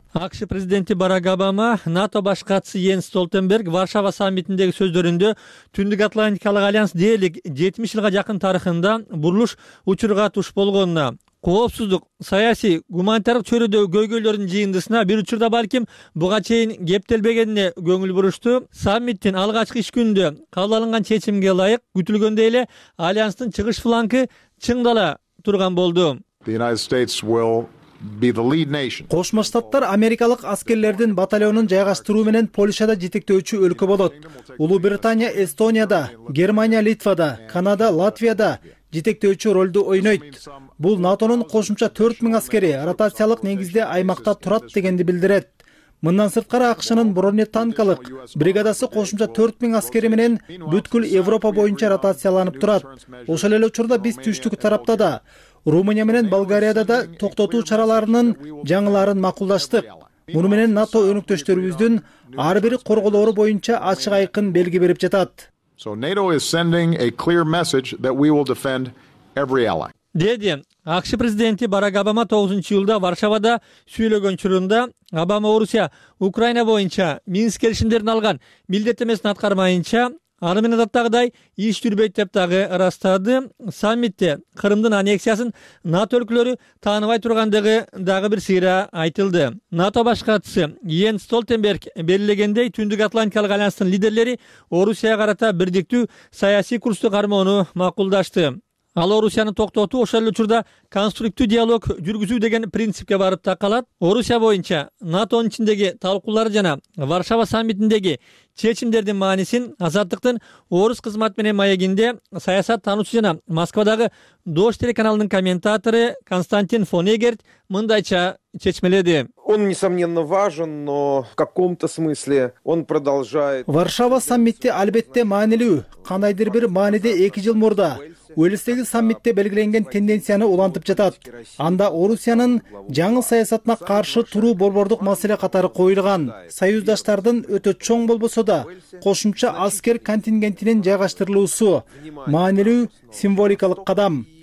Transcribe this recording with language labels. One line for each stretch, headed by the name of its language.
Kyrgyz: АКШ президенти Барак Обама, НАТО баш катчысы Йенс Столтенберг Варшава саммитиндеги сөздөрүндө Түндүк Атлантикалык альянс дээрлик 70 жылга жакын тарыхында бурулуш учурга туш болгонуна, коопсуздук, саясий, гуманитардык чөйрөдөгү көйгөйлөрдүн жыйындысына бир учурда балким буга чейин кептелбегенине көңүл бурушту. Саммиттин алгачкы иш күнүндө кабыл алынган чечимге ылайык күтүлгөндөй эле альянстын чыгыш фланкы чыңдала турган болду.
English: The United States will be the lead nation.
Kyrgyz: Кошмо Штаттар америкалык аскерлердин батальонун жайгаштыруу менен Польшада жетектөөчү өлкө болот. Улуу Британия Эстонияда, Германия Литвада, Канада Латвияда жетектөөчү ролду ойнойт. Бул НАТОнун кошумча 4000 аскери ротациялык негизде аймакта турат дегенди билдирет. Мындан сырткары АКШнын бронетанкалык бригадасы кошумча 4000 аскери менен бүткүл Европа боюнча ротацияланып турат. Ошол эле учурда биз түштүк тарапта да Румыния менен Болгарияда да токтотуу чараларынын жаңыларын макулдаштык. Муну менен НАТО өнөктөштөрүбүздүн ар бири корголору боюнча ачык айкын белги берип жатат.
English: So NATO is sending a clear message that we will defend every ally.
Kyrgyz: Деди АКШ президенти Барак Обама 9 июлда Варшавада сүйлөгөн чурунда Обама Орусия Украина боюнча Минск келишимдерин алган милдеттемесин аткармайынча аны менен адаттагыдай иш жүрбөйт деп дагы ырастады. Саммитте Кырымдын аннексиясын НАТО өлкөлөрү тааныбай тургандыгы дагы бир сыйра айтылды. НАТО баш катчысы Йенс Столтенберг белгилегендей Түндүк Атлантикалык альянстын лидерлери Орусияга карата бирдиктүү саясий курсту кармоону макулдашты. Ал Орусияны токтотуу ошол эле учурда конструктивдүү диалог жүргүзүү деген принципке барып такалат. Орусия боюнча НАТОнун ичиндеги талкуулар жана Варшава саммитиндеги чечимдердин маанисин Азаттыктын Орус кызмат менен маегинде саясат таануучу жана Москвадагы Дождь телеканалынын комментатору Константин фон Эгерт мындайча чечмеледи.
Russian: Он несомненно важен, но в каком-то смысле он продолжает.
Kyrgyz: Варшава саммити албетте маанилүү, кандайдыр бир мааниде 2 жыл мурда Уэльстеги саммитте белгиленген тенденцияны улантып жатат. Анда Орусиянын жаңы саясатына каршы туруу борбордук маселе катары коюлган. Союздаштардын өтө чоң болбосо да, кошумча аскер контингентинин жайгаштырылуусу маанилүү символикалык кадам.